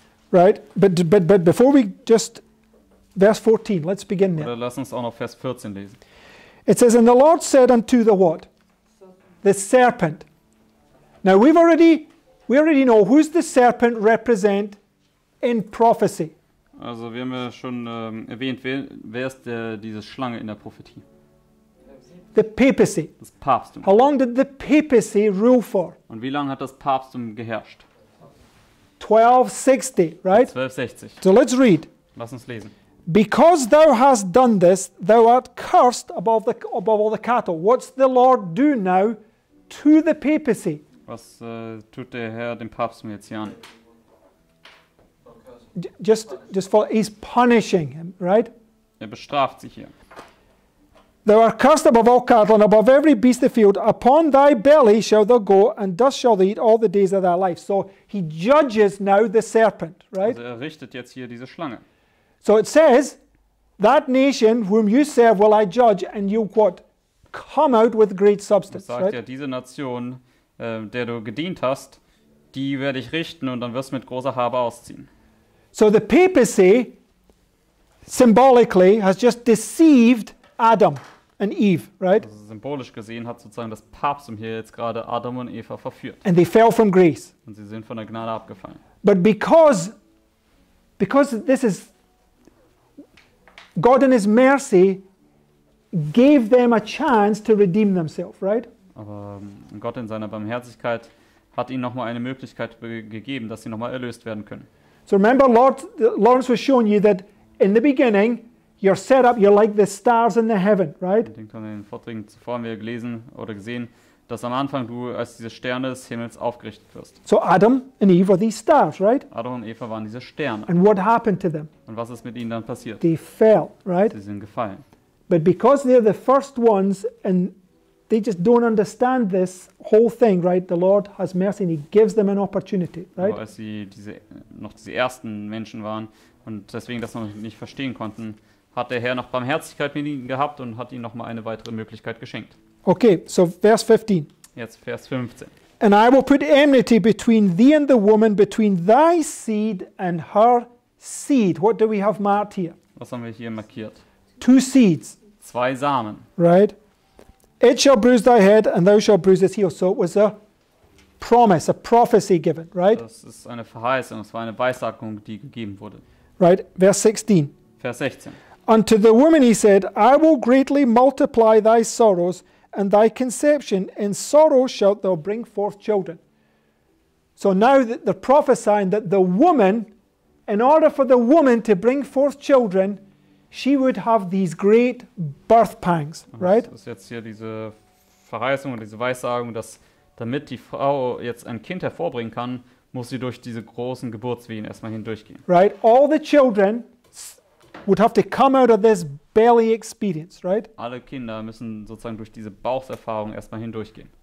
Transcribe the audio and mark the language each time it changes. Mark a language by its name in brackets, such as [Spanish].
[English] Right, but before we just verse 14, let's begin there. [German] Oder lass uns auch noch Vers 14 lesen. [English] It says, and the Lord said unto the what? The serpent. Now we already know who's the serpent represent in prophecy. [German] Also wir haben ja schon erwähnt, wer ist diese Schlange in der Prophetie? [English] The papacy. [German] Das Papsttum. [English] How long did the papacy rule for? [German] Und wie lange hat das Papsttum geherrscht? [English] 1260, right? [German] 1260. [English] So let's read. [German] Lass uns lesen. [English] Because thou hast done this, thou art cursed above all the cattle. What's the Lord do now to the papacy? [German] Was tut der Herr dem Papst mir jetzt hier an? [English] Just for, he's punishing him, right? [German] Er bestraft sich hier. [English] Thou art cursed above all cattle and above every beast of the field. Upon thy belly shalt thou go, and dust shalt thou eat all the days of thy life. So he judges now the serpent, right? [German] Also richtet jetzt hier diese Schlange. [English] So it says, that nation whom you serve will I judge, and you what? Come out with great substance. [German] Das sagt ja, diese Nation, der du gedient hast, die werde ich richten und dann wirst du mit großer Habe ausziehen. [English] So the papacy symbolically has just deceived Adam and Eve, right? [German] Also symbolisch gesehen hat sozusagen das Papstum hier jetzt gerade Adam und Eva verführt. [English] And they fell from grace. [German] Und sie sind von der Gnade abgefallen. [English] But because this is God in his mercy gave them a chance to redeem themselves, right? [German] Aber Gott in seiner Barmherzigkeit hat ihnen nochmal eine Möglichkeit gegeben, dass sie nochmal erlöst werden können. [English] So remember, Lawrence was showing you that in the beginning, you're set up, you're like the stars in the heaven, right? [German] Ich denke, in den Vorträgen zuvor haben wir gelesen oder gesehen, dass am Anfang du als diese Sterne des Himmels aufgerichtet wirst. [English] So Adam and Eve were these stars, right? [German] Adam und Eva waren diese Sterne. [English] And what happened to them? [German] Und was ist mit ihnen dann passiert? [English] They fell, right? [German] Sie sind gefallen. [English] But because they're the first ones and they just don't understand this whole thing, right? The Lord has mercy and he gives them an opportunity, right? [German] Aber als sie noch diese ersten Menschen waren und deswegen das noch nicht verstehen konnten, hat der Herr noch Barmherzigkeit mit ihnen gehabt und hat ihnen noch mal eine weitere Möglichkeit geschenkt. [English] Okay, so Vers 15. [German] Jetzt Vers 15. [English] And I will put enmity between thee and the woman, between thy seed and her seed. What do we have marked here? [German] Was haben wir hier markiert? [English] Two seeds. [German] Zwei Samen. [English] Right? It shall bruise thy head and thou shalt bruise his heel. So it was a promise, a prophecy given, right? [German] Das ist eine Verheißung, es war eine Weissagung, die gegeben wurde. Right, Vers 16. Vers 16. [English] Unto the woman he said, I will greatly multiply thy sorrows and thy conception. In sorrow shalt thou bring forth children. So now they're prophesying that the woman, in order for the woman to bring forth children, she would have these great birth pangs, right? [German] Das ist jetzt hier diese Verheißung und diese Weissagung, dass damit die Frau jetzt ein Kind hervorbringen kann, muss sie durch diese großen Geburtswehen erstmal hindurchgehen. [English] Right, all the children would have to come out of this belly experience, right? [German] Alle Kinder müssen sozusagen durch diese Bauchserfahrung erstmal hindurchgehen.